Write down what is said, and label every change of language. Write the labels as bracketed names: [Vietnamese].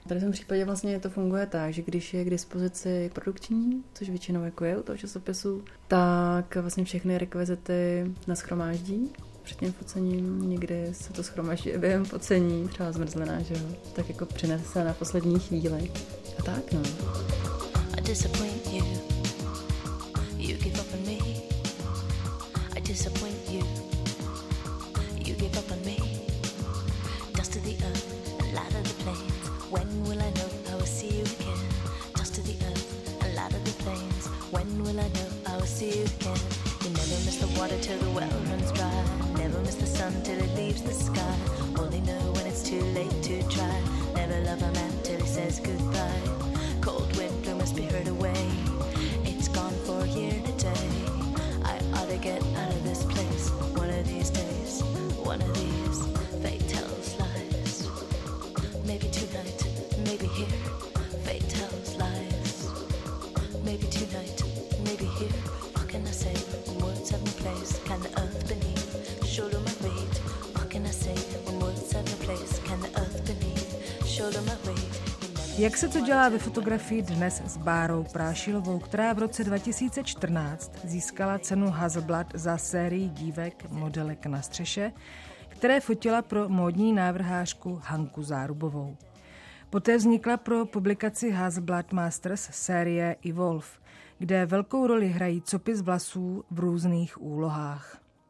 [Czech] Tady v tom případě vlastně to funguje tak, že když je k dispozici produkční, což většinou jako je u toho časopisu, tak vlastně všechny rekvizity naschromáždí. Před tím focením někdy se to schromáždí během focení, třeba zmrzlená, že jo. Tak jako přinese na poslední chvíli. A tak, no. [English] Disappoint you, you give up on me. I disappoint you, you give up on me. Dust to the earth and ladder the plains. When will I know I will see you again? Dust to the earth and ladder the plains. When will I know I will see you again? You never miss the water till the well runs dry. Never miss the sun till it leaves the sky. Only know when it's too late to try. Never love a man till he says goodbye. Spirit away, it's gone for here today. I ought to get out of this place. One of these days, one of these, fate tells lies. Maybe tonight, maybe here, fate tells lies. Maybe tonight, maybe here, what can I say? When words have no place, can the earth beneath shoulder my weight? What can I say? When words have no place, can the earth beneath shoulder my weight? [Czech] Jak se to dělá ve fotografii dnes s Bárou Prášilovou, která v roce 2014 získala cenu Hasselblad za sérii dívek modelek na střeše, které fotila pro módní návrhářku Hanku Zárubovou. Poté vznikla pro publikaci Hasselblad Masters série Evolve, kde velkou roli hrají copis vlasů v různých úlohách.